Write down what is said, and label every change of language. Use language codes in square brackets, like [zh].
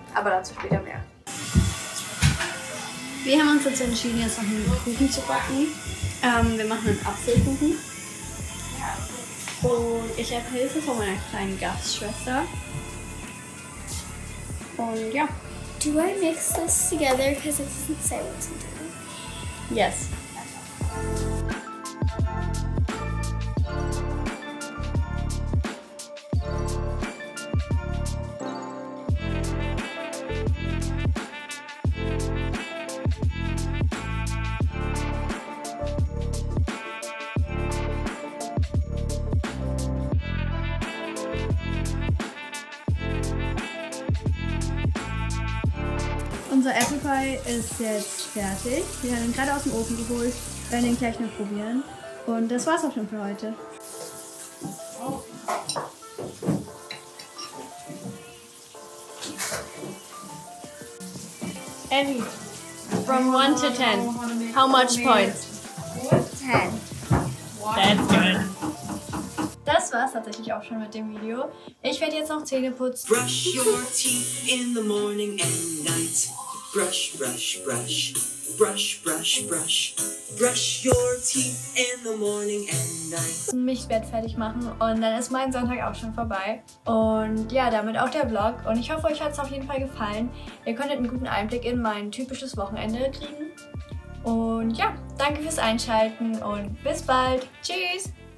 [de] Aber dazu später mehr. Wir haben uns jetzt entschieden, jetzt noch einen Kuchen zu backen. Wir machen einen Apfelkuchen. Und ich habe Hilfe von meiner kleinen Gastschwester. Und ja. [en] Do I mix this together? Because it doesn't say what to do. Yes. [de] Unser Apple Pie ist jetzt fertig. Wir haben ihn gerade aus dem Ofen geholt, werden ihn gleich noch probieren. Und das war's auch schon für heute. [en] Evie, from 1 to 10, how much points? 10. That's good. [de] Das war's tatsächlich auch schon mit dem Video. Ich werde jetzt noch Zähne putzen. [en] Brush your teeth in the morning and night. Brush, brush, brush, brush, brush, brush, brush your teeth in the morning and night. [de] Mich werde fertig machen und dann ist mein Sonntag auch schon vorbei. Und ja, damit auch der Vlog. Und ich hoffe, euch hat es auf jeden Fall gefallen. Ihr konntet einen guten Einblick in mein typisches Wochenende kriegen. Und ja, danke fürs Einschalten und bis bald. Tschüss!